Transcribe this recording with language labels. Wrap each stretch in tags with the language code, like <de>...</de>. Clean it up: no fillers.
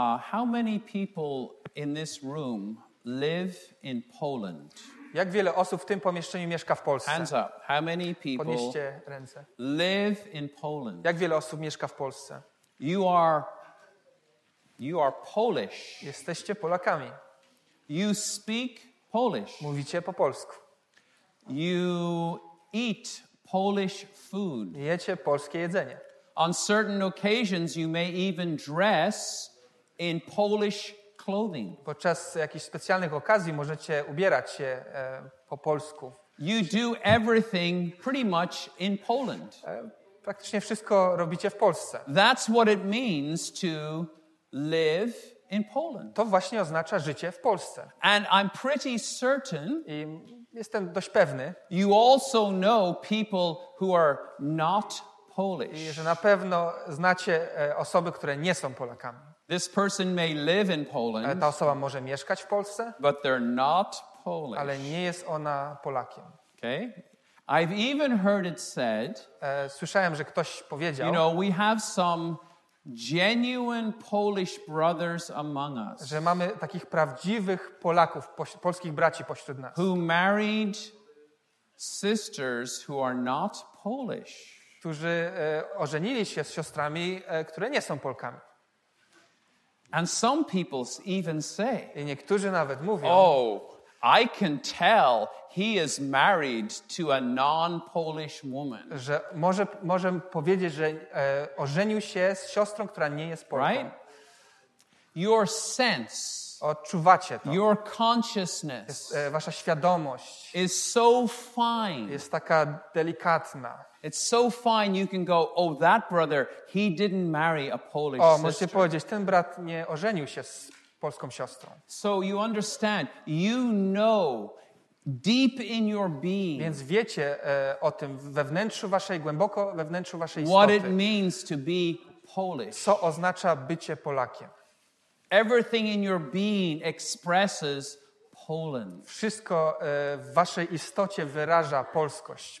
<en>How many people in this room live in Poland?</en> <pl>Jak wiele osób w tym pomieszczeniu mieszka w Polsce?</pl> <en>Hands up. How many people?</en> <pl>Podnieście ręce.</pl> <en>Live in Poland.</en> <pl>Jak wiele osób mieszka w Polsce?</pl> <en>You are Polish.</en> <pl>Jesteście Polakami.</pl> <en>You speak Polish.</en> <pl>Mówicie po polsku.</pl> <en>You eat Polish food.</en> <pl>Jecie polskie jedzenie.</pl> <en>On certain occasions you may even dress in Polish clothing.</en> <pl>Podczas jakichś specjalnych okazji możecie ubierać się po polsku.</pl> <en>You do everything pretty much in Poland.</en> <pl>Praktycznie wszystko robicie w Polsce.</pl> <en>That's what it means to live in Poland.</en> <pl>To właśnie oznacza życie w Polsce.</pl> <en>And I'm pretty certain.</en> <pl>I jestem dość pewny.</pl> <en>You also know people who are not Polish.</en> <pl>I że na pewno znacie osoby, które nie są Polakami.</pl> <en>This person may live in Poland.</en> <pl>Ta osoba może mieszkać w Polsce.</pl> <en>But they're not Polish.</en> <pl>Ale nie jest ona Polakiem.</pl> <en>Okay. I've even heard it said.</en> <pl>Słyszałem, że ktoś powiedział.</pl> <en>You know, we have some genuine Polish brothers among us.</en> <pl>Że mamy takich prawdziwych Polaków, polskich braci pośród nas.</pl> <en>Who married sisters who are not Polish.</en> <pl>Którzy ożenili się z siostrami, które nie są Polkami.</pl> <en>And some people even say.</en> <pl>I niektórzy nawet mówią.</pl> <en>Oh, I can tell he is married to a non-Polish woman.</en> <pl>Że możemy powiedzieć, że ożenił się z siostrą, która nie jest Polką.</pl> <en>Right? Your sense.</en> <pl>Odczuwacie to.</pl> <en>Your consciousness.</en> <pl>Wasza świadomość.</pl> <en>Is so fine.</en> <pl>Jest taka delikatna.</pl> <en>It's so fine you can go, oh, that brother, he didn't marry a Polish sister.</en> <pl>O, możecie powiedzieć, ten brat nie ożenił się z polską siostrą.</pl> <en>So you understand, you know deep in your being.</en> <pl>Więc wiecie o tym we wnętrzu waszej, głęboko we wnętrzu waszej istoty.</pl> <en>What it means to be Polish.</en> <pl>Co oznacza bycie Polakiem.</pl> <en>Everything in your being expresses Poland.</en> <pl>Wszystko w waszej istocie wyraża polskość.</pl>